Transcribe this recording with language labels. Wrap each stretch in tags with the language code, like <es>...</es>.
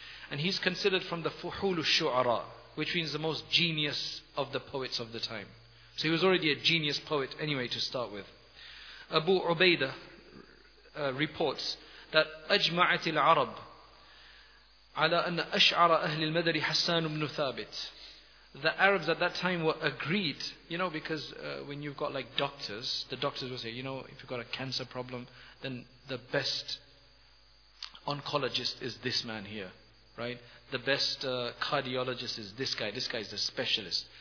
<en>And he's considered from the Fuhul al-Shu'ara, which means the most genius of the poets of the time. So he was already a genius poet anyway to start with. Abu Ubaidah reports that</en> <ar>أجمعت العرب على أن أشعر أهل المدري حسان بن ثابت.</ar> <en>The Arabs at that time were agreed, you know, because when you've got like doctors, the doctors will say, you know, if you've got a cancer problem, then the best oncologist is this man here, right? The best cardiologist is this guy. This guy is the specialist.</en>